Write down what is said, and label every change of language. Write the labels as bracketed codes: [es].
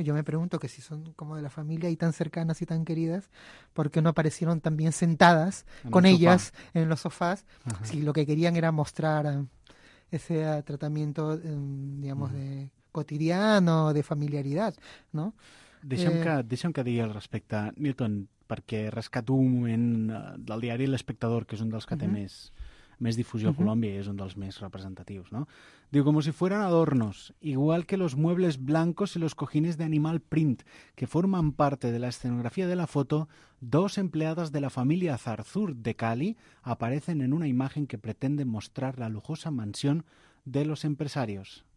[es] Yo me pregunto que si son como de la familia y tan cercanas y tan queridas, ¿por qué no aparecieron también sentadas con ellas en los sofás? Ajá. Si lo que querían era mostrar ese tratamiento, digamos, de cotidiano, de familiaridad, ¿no? [ca] Deixa'm que digui al respecte, Milton, perquè rescato un moment del diari L'Espectador, que és un dels que té més difusió a Colòmbia i és un dels més representatius, no? [es] Diu, como si fueran adornos, igual que los muebles blancos y los cojines de animal print que forman parte de la escenografía de la foto, dos empleadas de la familia Zarzur de Cali aparecen en una imagen que pretende mostrar la lujosa mansión de los empresarios.